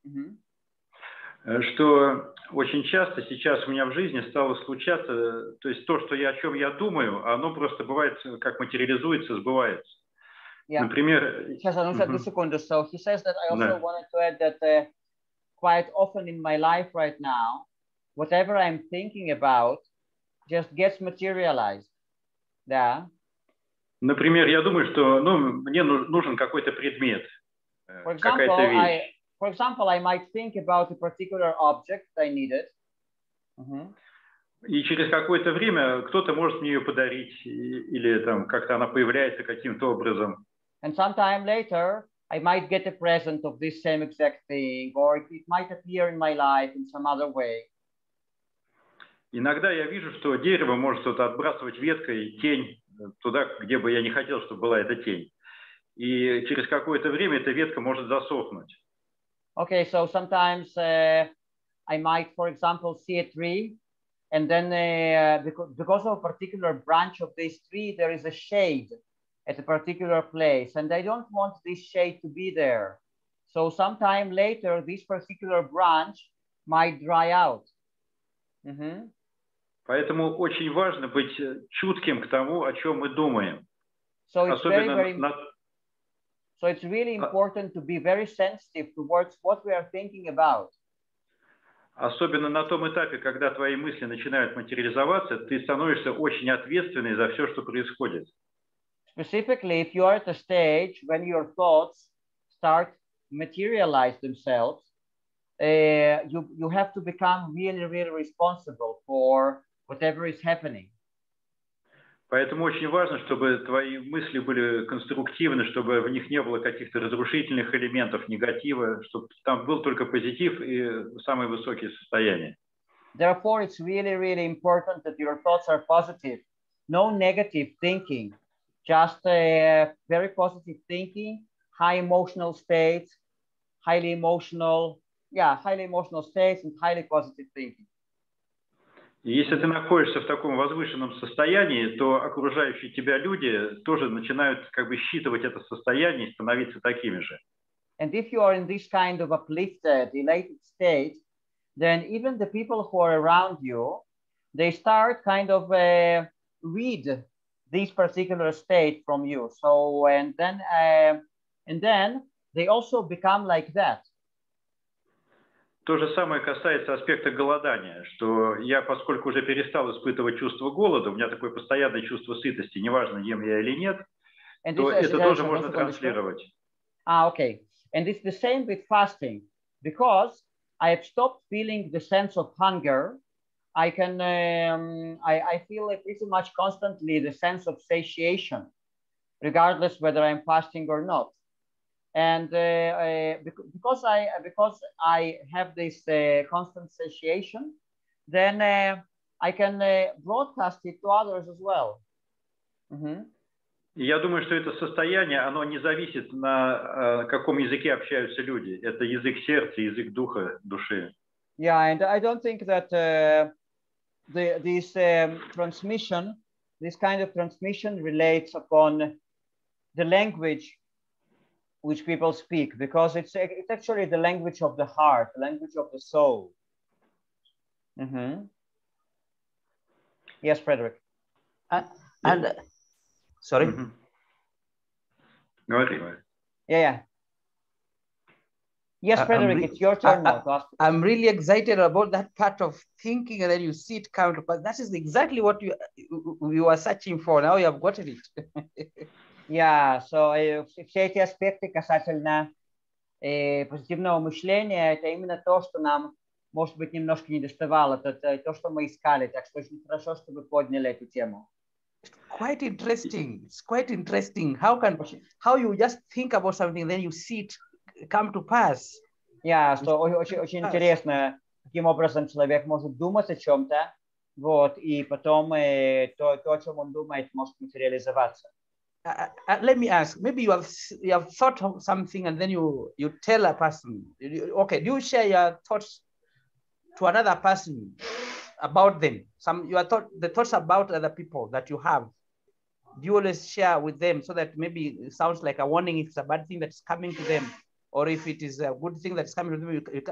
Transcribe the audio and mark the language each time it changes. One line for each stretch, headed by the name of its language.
Russian: Я хотел добавить, что очень часто сейчас у меня в жизни стало случаться, то есть то, что о чем я думаю, оно просто бывает, как материализуется, сбывается.
English: Yeah.
Russian: Например, сейчас, одну секунду.
English: So he says that I also wanted to add that quite often in my life right now, whatever I'm thinking about just gets materialized.
Russian: Да. Например, я думаю, что мне нужен какой-то предмет, какая-то вещь.
English: For example, I might think about a particular object that I needed.
Russian: И через какое-то время кто-то может мне ее подарить, или там как-то она появляется каким-то образом.
English: And sometime later, I might get a present of this same exact thing, or it might appear in my life in some other way.
Russian: Иногда я вижу, что дерево может вот отбрасывать веткой тень туда, где бы я не хотел, чтобы была эта тень. И через какое-то время эта ветка может засохнуть.
English: Okay, so sometimes I might, for example, see a tree, and then because of a particular branch of this tree, there is a shade at a particular place, and I don't want this shade to be there. So sometime later, this particular branch might dry out. Mm-hmm.
Russian: Поэтому очень важно быть чутким к тому, о чем мы думаем.
English: So it's it's really important to be very sensitive towards what we are thinking about.
Russian: Особенно на том этапе, когда твои мысли начинают материализоваться, ты становишься очень ответственный за все, что происходит.
English: Specifically, if you are at a stage when your thoughts start materialize themselves, you have to become really, really responsible for whatever is happening.
Russian: Поэтому очень важно, чтобы твои мысли были конструктивны, чтобы в них не было каких-то разрушительных элементов, негатива, чтобы там был только позитив и самые высокие состояния.
English: Therefore, it's really, really important that your thoughts are positive. No negative thinking, just a very positive thinking, high emotional states, highly emotional states and highly positive thinking.
Russian: Если ты находишься в таком возвышенном состоянии, то окружающие тебя люди тоже начинают как бы считывать это состояние и становиться такими же.
English: And if you are in this kind of uplifted, elated state, then even the people who are around you, they start kind of read this particular state from you. So and then they also become like that.
Russian: То же самое касается аспекта голодания, что я, поскольку уже перестал испытывать чувство голода, у меня такое постоянное чувство сытости, неважно, ем я или нет, то это тоже можно транслировать.
English: Ah, okay. And it's the same with fasting. Because I have stopped feeling the sense of hunger, I feel like pretty much constantly the sense of satiation, regardless whether I'm fasting or not. And because I have this constant satiation, then I can broadcast it to others as well. Mm-hmm.
Russian: Я думаю, что это состояние, оно не зависит на каком языке общаются люди. Это язык сердца, язык духа, души.
English: Yeah, and I don't think that this transmission, this kind of transmission relates upon the language which people speak, because it's actually the language of the heart, the language of the soul. Mm-hmm. Yes, Frederick. Sorry. Mm-hmm. No, anyway. Yeah. Yes, Frederick, it's your turn now. I'm really excited about that part of thinking, and then you see it come to pass. That is exactly what you are searching for. Now you have gotten it. Yeah, so
Russian: все эти аспекты касательно позитивного мышления, это именно то, что нам, может быть, немножко недоставало, то, что мы искали. Так что очень хорошо, что вы подняли эту тему.
English: It's quite interesting. How you just think about something, then you see it come to pass. Yeah, so
Russian: очень интересно, каким образом человек может думать о чем-то, вот, и потом то, о чем он думает, может материализоваться.
English: Let me ask. Maybe you have thought of something, and then you tell a person. Do you share your thoughts to another person about them? The thoughts about other people that you have. Do you always share with them so that maybe it sounds like a warning if it's a bad thing that's coming to them, or if it is a good thing that's coming to them?